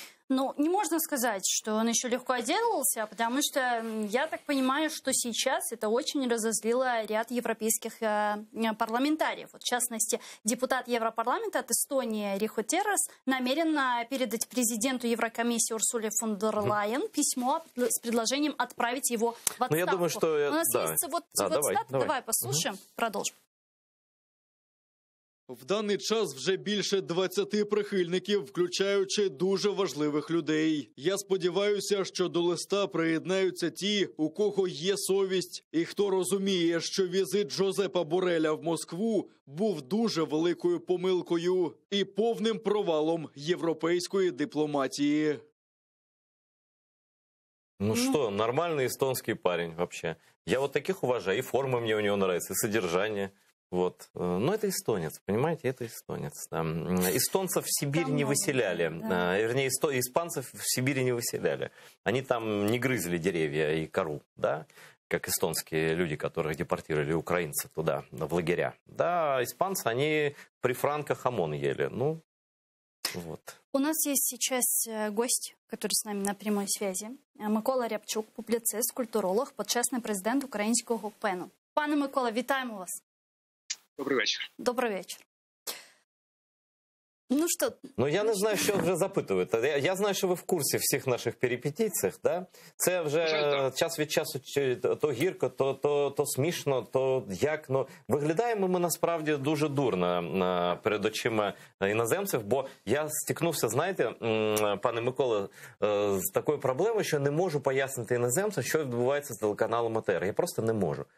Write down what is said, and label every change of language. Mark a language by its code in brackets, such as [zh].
[ru] Ну, не можно сказать, что он еще легко отделался, потому что я так понимаю, что сейчас это очень разозлило ряд европейских парламентариев. Вот, в частности, депутат Европарламента от Эстонии Рихо Террас намерен передать президенту Еврокомиссии Урсуле фон дер Лайен письмо с предложением отправить его в отставку. Ну, я думаю, что... У нас есть вот цитата, давай послушаем, продолжим. [uk] В даний час вже більше 20 прихильників, включаючи дуже важливих людей. Я сподіваюся, що до листа приєднаються ті, у кого є совість, і хто розуміє, що візит Жозепа Бореля в Москву був дуже великою помилкою і повним провалом європейської дипломатії. Ну що, нормальний естонський парень, взагалі. Я от таких уважаю, і форми мені у нього нравятся, і содержання. [ru] Вот. Ну, это эстонец, понимаете, это эстонец. Да. Эстонцев в Сибирь не выселяли. Да. Вернее, испанцев в Сибирь не выселяли. Они там не грызли деревья и кору, да, как эстонские люди, которых депортировали украинцы туда, в лагеря. Да, испанцы, они при франках ОМОН ели. Ну, вот. У нас есть сейчас гость, который с нами на прямой связи. [uk] Микола Рябчук, публицист, культуролог, почесний президент українського ПЕНу. Пане Микола, вітаємо вас. [ru] Добрый вечер. Добрый вечер. Ну что? Ну я не знаю, что уже запытывают. Я знаю, что вы в курсе всех наших перипетиций, да? [uk] Це вже час від часу то гірко, то смішно, то як. Ну, виглядаємо ми насправді дуже дурно перед очима іноземців, бо я стикнувся, знаєте, пане Миколе, з такою проблемою, що не можу пояснити іноземцям, що відбувається з телеканалом АТР. Я просто не можу.